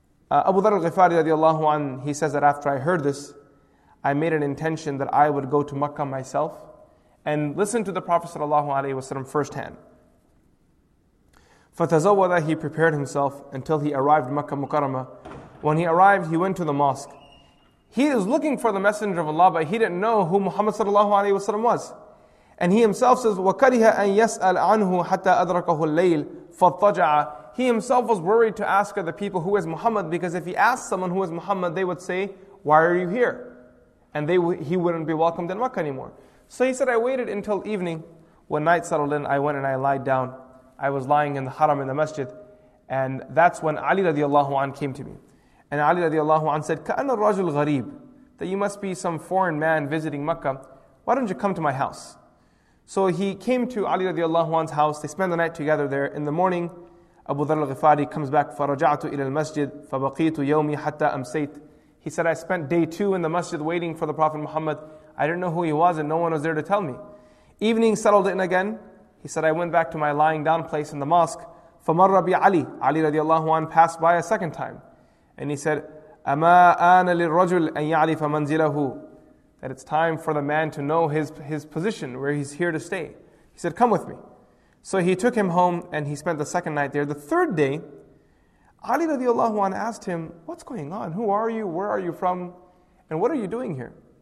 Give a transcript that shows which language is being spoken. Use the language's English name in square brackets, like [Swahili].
[English] Abu Dharr al-Ghifari radiallahu anhu, he says that after I heard this, I made an intention that I would go to Makkah myself and listen to the Prophet sallallahu alaihi wasallam firsthand. Fatazawwada, he prepared himself until he arrived Makkah Mukarramah. When he arrived, he went to the mosque. He is looking for the Messenger of Allah, but he didn't know who Muhammad sallallahu alaihi wasallam was. And he himself says, [Arabic] وَكَرِهَ أَن يَسْأَلْ عَنْهُ حَتَّى أَدْرَكَهُ اللَّيْلِ فَاتَّجَعَ. [English] He himself was worried to ask other people who is Muhammad, because if he asked someone who is Muhammad, they would say, why are you here? And he wouldn't be welcomed in Makkah anymore. So he said, I waited until evening. When night settled in, I went and I lied down. I was lying in the haram in the masjid. And that's when Ali radiallahu anhu came to me. And Ali radiallahu anhu said, [Arabic] كَأَنَ الرَّجُلْ غَرِيبُ. [English] That you must be some foreign man visiting Makkah. Why don't you come to my house? So he came to Ali radiallahu anhu's house. They spent the night together there. In the morning, Abu Dharr al-Ghifari comes back. [Arabic] فَرَجَعْتُ إِلَى الْمَسْجِدِ فَبَقِيتُ يَوْمِي حَتَّى أَمْسَيْتُ. [English] He said, I spent day two in the masjid waiting for the Prophet Muhammad. I didn't know who he was and no one was there to tell me. Evening settled in again. He said, I went back to my lying down place in the mosque. [Arabic] فَمَرَّ بِعَلِي. [English] Ali radiallahu anhu passed by a second time. And he said, [Arabic] أَمَا آنَ لِلْرَجُلْ أَن يَعْرِفَ مَنْزِلَهُ. [English] That it's time for the man to know his position, where he's here to stay. He said, come with me. So he took him home and he spent the second night there. The third day, Ali radiallahu anhu asked him, what's going on? Who are you? Where are you from? And what are you doing here?